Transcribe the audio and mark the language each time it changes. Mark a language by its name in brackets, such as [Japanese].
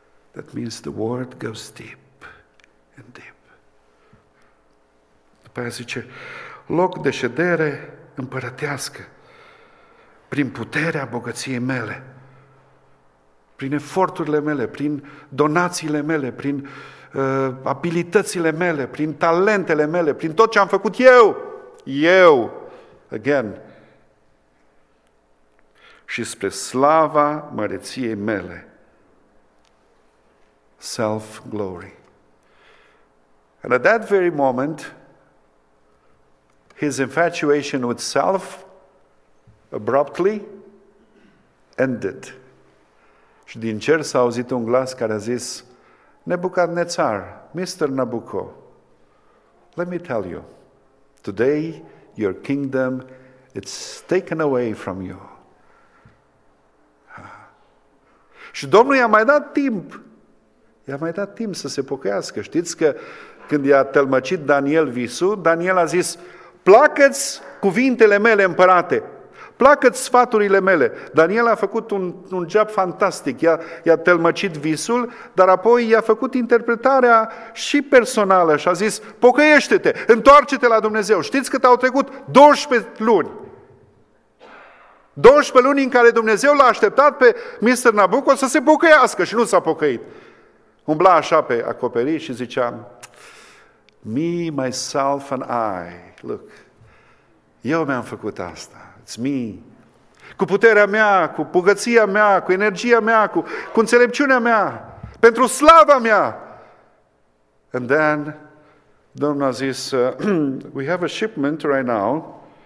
[English] That means the word goes deep and deep. [Romanian] Aia zice, loc de ședere împărătească prin puterea bogăției mele, prin eforturile mele, prin donațiile mele, prin abilitățile mele, prin talentele mele, prin tot ce am făcut eu, again, și spre slava măreției mele, self-glory. [English] And at that very moment, his infatuation with self abruptly ended. [Romanian] Și din cer s-a auzit un glas care a zis, Nebucadnețar, Mr. [English] Nabucco, let me tell you, today your kingdom, it's taken away from you. [Romanian] Și Domnul i-a mai dat timp să se pocăiască. Știți că când i-a tălmăcit Daniel visul, Daniel a zis, placă-ți cuvintele mele, împărate, placă-ți sfaturile mele. Daniel a făcut un job fantastic, i-a tălmăcit visul, dar apoi i-a făcut interpretarea și personală și a zis, pocăiește-te, întoarce-te la Dumnezeu. Știți cât au trecut? 12 luni. 12 luni în care Dumnezeu l-a așteptat pe Mr. Nabucco să se pocăiască și nu s-a pocăit. Umbla așa pe acoperiș și zicea, [English] me, myself and I. Look, [Romanian] eu mi-am făcut asta. [English] It's me. [Romanian] cu puterea mea, cu bogăția mea, cu energia mea, cu înțelepciunea mea, pentru slava mea. [English] And then, [Romanian] Domnul a zis, [English] we have a shipment right now.